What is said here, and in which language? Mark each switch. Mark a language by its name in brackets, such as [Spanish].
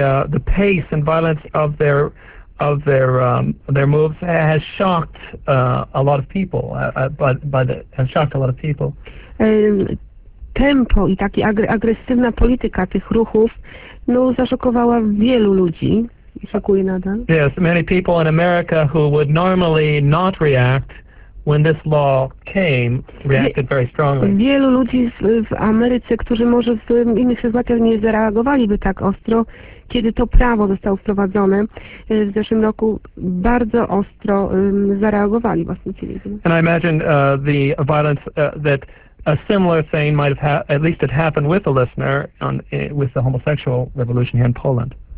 [English] The pace and violence of their moves has shocked a lot of people, has shocked a lot of people. [Polish] Tempo i taka agresywna polityka tych ruchów no zaszokowała wielu ludzi. [English] Yes, many people in America who would normally not react when this law came reacted very strongly. [Polish] Wielu ludzi w Ameryce, którzy może w innych sytuacjach nie zareagowaliby tak ostro, kiedy to prawo zostało wprowadzone w zeszłym roku, bardzo ostro zareagowali właśnie ci ludzie. [English] And I imagine the violence that a similar thing might have at least it happened with a listener on with the homosexual revolution here in Poland.